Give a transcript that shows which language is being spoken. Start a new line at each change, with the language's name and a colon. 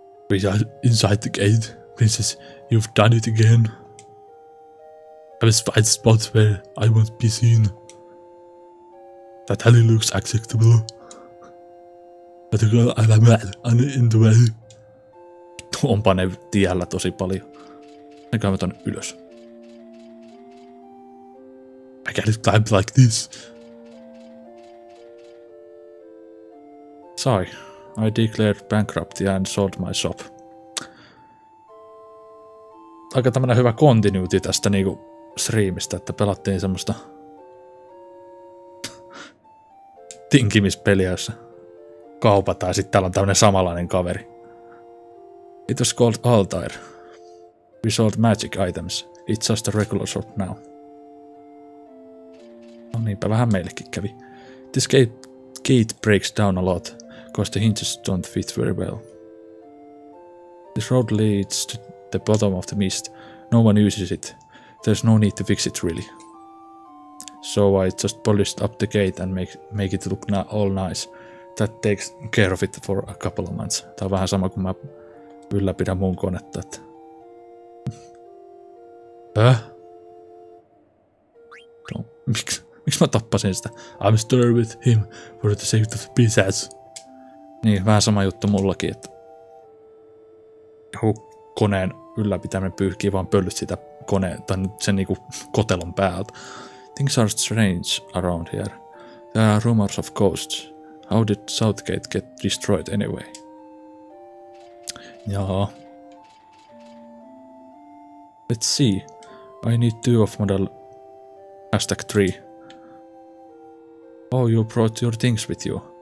English: We are inside the gate, princess. You've done it again. I must find spots where I won't be seen. That alley looks acceptable. But the girl and I'm in the way.
Finnish: Onpa ne tiellä tosi paljon. Näköhän mä tonne ylös.
English: I can't climb like this. Sorry, I declared bankruptcy and sold my shop.
Finnish: Aika tämmönen hyvä continuity tästä niinku streamista, että pelattiin semmoista tinkimispeliä, jossa kaupataan ja sit täällä on tämmönen samanlainen kaveri.
English: It was called Altair. We sold magic items. It's just a regular shop now.
Finnish: No niinpä vähän meillekin kävi.
English: This gate breaks down a lot, because the hinges don't fit very well. This road leads to the bottom of the mist. No one uses it. There's no need to fix it really. So I just polished up the gate and make it look all nice. That takes care of it for a couple of months.
Finnish: Tää on vähän sama kuin mä ylläpidän mun konetta. Häh? No, miks mä tappasin sitä?
English: I'm stirred with him for the sake of the pieces.
Finnish: Niin, vähän sama juttu mullakin, että koneen ylläpitäminen pyyhkii vaan pöllyt sitä koneen, tai sen niinku kotelon päältä.
English: Things are strange around here. There are rumors of ghosts. How did Southgate get destroyed anyway? Jaa. Let's see. I need two of model hashtag 3. Oh, you brought your things with you.